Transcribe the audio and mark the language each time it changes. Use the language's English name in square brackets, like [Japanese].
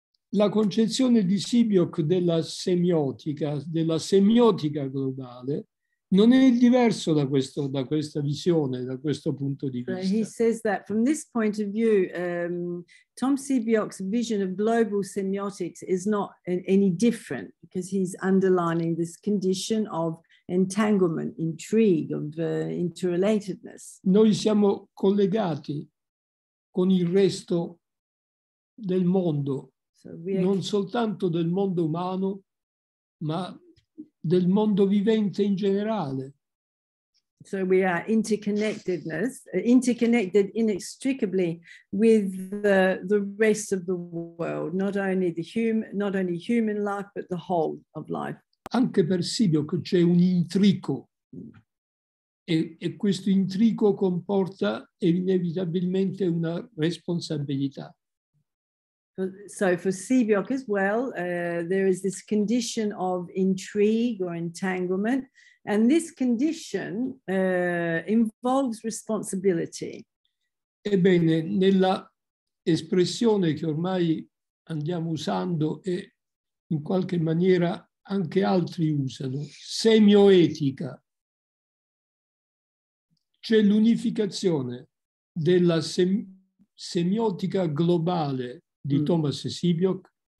[Italian] La concezione di SEBEOK della semiotica globale non è diverso da questa visione, da questo punto di vista. [English] He says that from this point of view, Tom SEBEOK's vision of global semiotics is not any different, because he's underlining this condition of entanglement, intrigue, of interrelatedness. [Italian] Noi siamo collegati con il resto del mondo. Non soltanto del mondo umano, ma del mondo vivente in generale. [English] So we are interconnected inextricably with the rest of the world, not only human life, but the whole of life. [Italian] Anche per SEBEOK c'è un intrico, e questo intrico comporta inevitabilmente una responsabilità. [English] So for SEBEOK as well, there is this condition of intrigue or entanglement, and this condition involves responsibility. [Italian] Ebbene, nella espressione che ormai andiamo usando e in qualche maniera anche altri usano, semioetica, c'è l'unificazione della semiotica globale di Thomas SEBEOK